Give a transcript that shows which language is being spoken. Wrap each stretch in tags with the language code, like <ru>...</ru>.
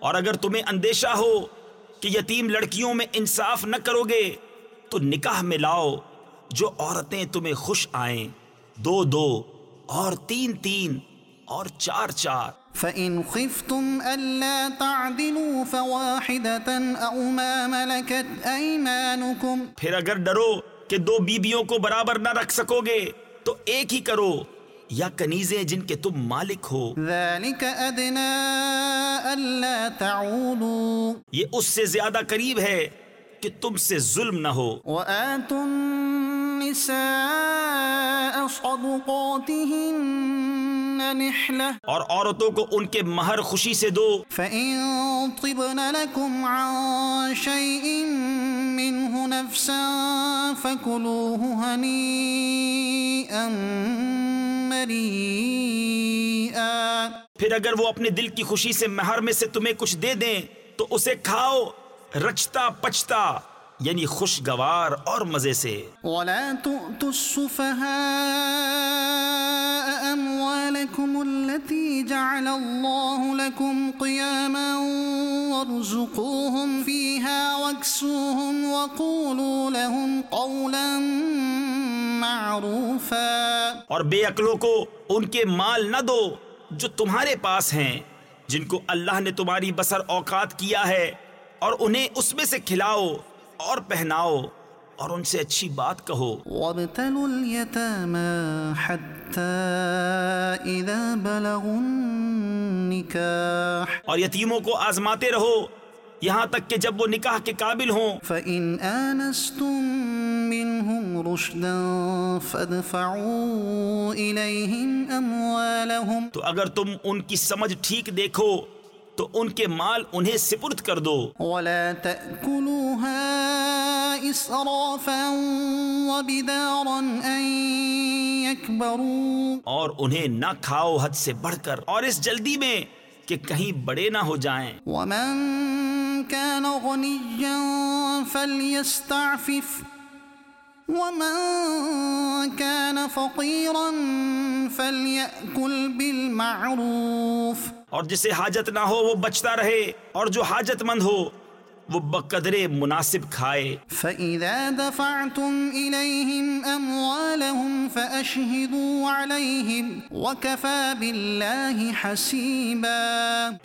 <ur>اور اگر تمہیں اندیشہ ہو کہ یتیم لڑکیوں میں انصاف نہ کرو گے تو نکاح میں لاؤ جو عورتیں تمہیں خوش آئیں دو دو اور تین تین اور چار چار</ur> <ar>فإن خفتم ألا تعدلوا فواحدة أو ما ملكت أيمانكم.</ar> <ur>پھر اگر ڈرو کہ دو بیویوں کو برابر نہ رکھ سکو گے تو ایک ہی کرو یا کنیزیں جن کے تم مالک ہو.</ur> <ar>ذلك أدنى ألا تعولوا.</ar> <ur>یہ اس سے زیادہ قریب ہے کہ تم سے ظلم نہ ہو.</ur> <ar>وآتوا النساء صدقاتهن نحلة.</ar> <ur>اور عورتوں کو ان کے مہر خوشی سے دو.</ur> <ar>فإن طبن لكم عن شيء منه نفسا فكلوه هنيئا مريئا.</ar> <ur>پھر اگر وہ اپنے دل کی خوشی سے مہر میں سے تمہیں کچھ دے دیں تو اسے کھاؤ رچتا پچتا یعنی خوشگوار اور مزے سے.</ur> <ar>ولا تؤتوا السفهاء اموالكم التي جعل الله لكم قياما وارزقوهم فيها واكسوهم وقولوا لهم قولا معروفا.</ar> <ur>اور بے عقلوں کو ان کے مال نہ دو جو تمہارے پاس ہیں جن کو اللہ نے تمہاری بسر اوقات کیا ہے, اور انہیں اس میں سے کھلاؤ اور پہناؤ اور ان سے اچھی بات کہو.</ur> <ar>وَابْتَلُوا الْيَتَامَى حَتَّى إِذَا بَلَغُوا النِّكَاحَ.</ar> <ur>اور یتیموں کو آزماتے رہو یہاں تک کہ جب وہ نکاح کے قابل ہوں.</ur> <ar>فَإِنْ آنَسْتُمْ مِنْهُمْ رُشْدًا فَادْفَعُوا إِلَيْهِمْ أَمْوَالَهُمْ.</ar> <ur>تو اگر تم ان کی سمجھ ٹھیک دیکھو تو ان کے مال انہیں سپرد کر دو.</ur> <ar>ولا تأكلوها إسرافا وبدارا أن يكبروا.</ar> <ur>اور انہیں نہ کھاؤ حد سے بڑھ کر اور اس جلدی میں کہ کہیں بڑے نہ ہو جائیں.</ur> <ar>ومن كان غنيا فليستعفف وَمَن كَانَ فَقِيرًا فَلْيَأْكُلْ بِالْمَعْرُوفِ.</ar> <ur>اور جسے حاجت نہ ہو وہ بچتا رہے, اور جو حاجت مند ہو وہ بقدرے مناسب کھائے.</ur> <ar>فَإِذَا دَفَعْتُمْ إِلَيْهِمْ أَمْوَالَهُمْ فَأَشْهِدُوا عَلَيْهِمْ وَكَفَى بِاللَّهِ حَسِيبًا.</ar>